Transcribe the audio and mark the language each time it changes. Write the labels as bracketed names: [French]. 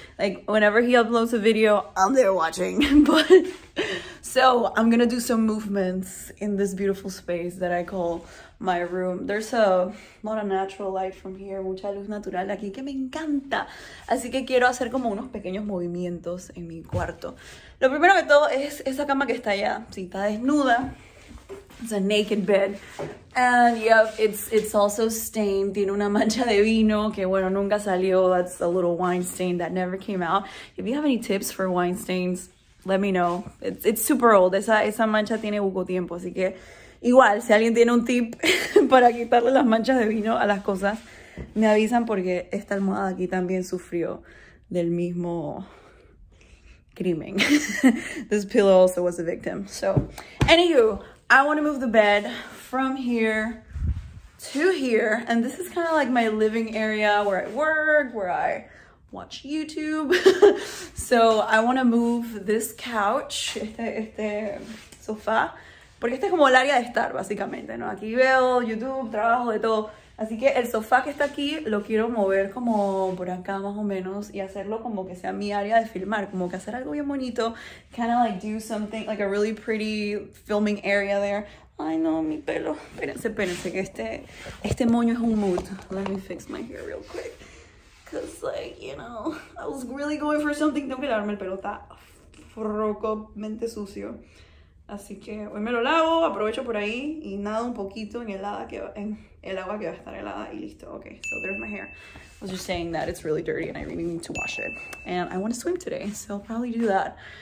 [English] Like, whenever he uploads a video, I'm there watching. But so I'm gonna do some movements in this beautiful space that I call my room. There's a lot of natural light from here, [Spanish] mucha luz natural aquí que me encanta. Así que quiero hacer como unos pequeños movimientos en mi cuarto. Lo primero de todo es esa cama que está allá. Sí, está desnuda. [English] It's a naked bed. And yeah, it's also stained. [Spanish] Tiene una mancha de vino que bueno, nunca salió. [English] That's a little wine stain that never came out. If you have any tips for wine stains, let me know. It's super old. [Spanish] Esa mancha tiene poco tiempo, así que igual, si alguien tiene un tip para quitarle las manchas de vino a las cosas, me avisan porque esta almohada aquí también sufrió del mismo crimen. [English] This pillow also was a victim. So, anywho, I want to move the bed from here to here. And this is kind of like my living area where I work, where I watch YouTube. So, I want to move this couch, este sofá. [Spanish] Porque este es como el área de estar, básicamente, ¿no? Aquí veo YouTube, trabajo, de todo. Así que el sofá que está aquí lo quiero mover como por acá más o menos y hacerlo como que sea mi área de filmar, como que hacer algo bien bonito. [English] Kind of like do something, like a really pretty filming area there. [Spanish] Ay, no, mi pelo. Espérense, que este moño es un mood. [English] Let me fix my hair real quick. Because, like, you know, I was really going for something. [Spanish] Tengo que lavarme el pelo, está frocamente sucio. Así que hoy me lo lavo, aprovecho por ahí y nado un poquito en el agua que va a estar helada y listo. [English] Okay, so there's my hair. I was just saying that it's really dirty and I really need to wash it. And I want to swim today, so I'll probably do that.